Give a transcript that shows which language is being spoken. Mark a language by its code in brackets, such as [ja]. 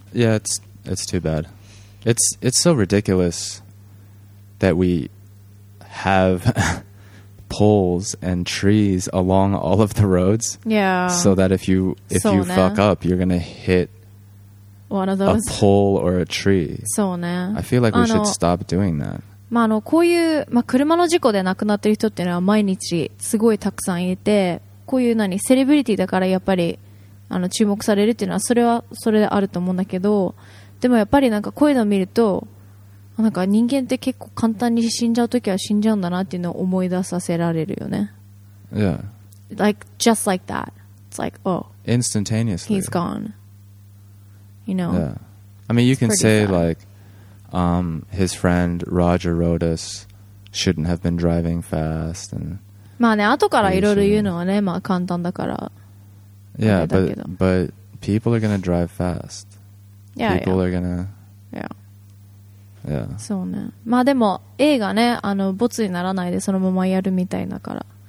[en] Yeah it's too bad It's so ridiculous That we have poles and trees Along all of the roads Yeah So that if you fuck up You're gonna hit One of those. A pole or a tree. [ja] そうね。 [en] I feel like we should stop doing that. [ja] まあ、あの、こういう、まあ、車の事故で亡くなってる人っていうのは毎日すごいたくさんいて、こういう何、セレブリティだからやっぱり、あの、注目されるっていうのはそれはそれであると思うんだけど、でもやっぱりなんかこういうのを見ると、なんか人間って結構簡単に死んじゃうときは死んじゃうんだなっていうのを思い出させられるよね。 [en] Yeah. Like, just like that. It's like, oh. Instantaneously. He's gone. You know, yeah. I mean, you can say like his friend Roger Rodas shouldn't have been driving fast. And [ja] まあね、後からいろいろ言うのはね、まあ簡単だから。 [en] Yeah, but people are gonna drive fast. Yeah, people are gonna. Yeah. Yeah. [ja] そうね。まあでも映画ね、あの没にならないでそのままやるみたいだから。